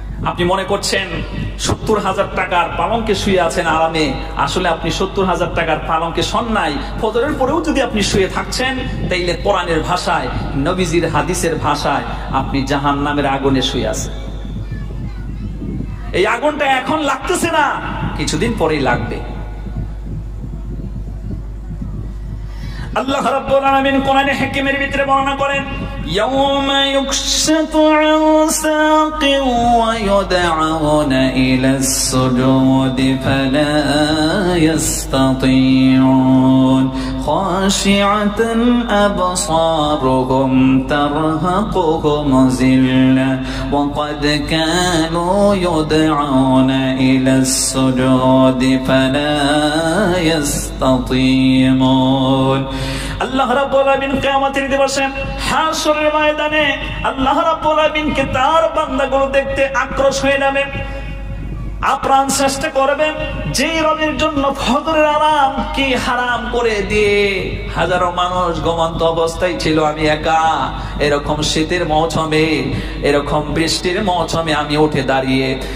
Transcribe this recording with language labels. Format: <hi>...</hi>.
<bn>আপনি মনে করছেন 70,000 টাকার পালংকে শুয়ে আছেন আরামে আসলে আপনি 70,000 টাকার পালংকে সন্নাই ফজরের পরেও যদি আপনি শুয়ে থাকছেন তাইলে কোরআনের ভাষায় নবীজির হাদিসের ভাষায় আপনি জাহান্নামের আগুনে শুয়ে আছেন এই আগুনটা এখন লাগতেছে না কিছুদিন পরেই লাগবে আল্লাহ রাব্বুল আলামিন কোরআনে হিকমের ভিতরে বর্ণনা করেন</bn> <ar>ইয়াউমা ইউকশাতু আন সাকি ওয়া ইউদাউনা ইলাস সুজুদি ফালা ইস্তাতিউন خاشعةً أبصارهم ترهقهم ذلة وقد كانوا يدعون إلى السجود فلا يستطيعون</ar> <bn>আল্লাহ রাব্বুল আলামিন কিয়ামতের দিবসে হাশরের ময়দানে আল্লাহ রাব্বুল আলামিনকে তার বান্দাগুলো দেখতে আক্রোশ হয়ে নামে আপ্রাণ চেষ্টা করবে যে রবের জন্য ফজরের আরাম কি হারাম করে দিয়ে হাজারো মানুষ গোমন্ত অবস্থায় ছিল আমি একা এরকম শীতের মৌসুমে এরকম বৃষ্টির মৌসুমে আমি উঠে দাঁড়িয়ে</bn>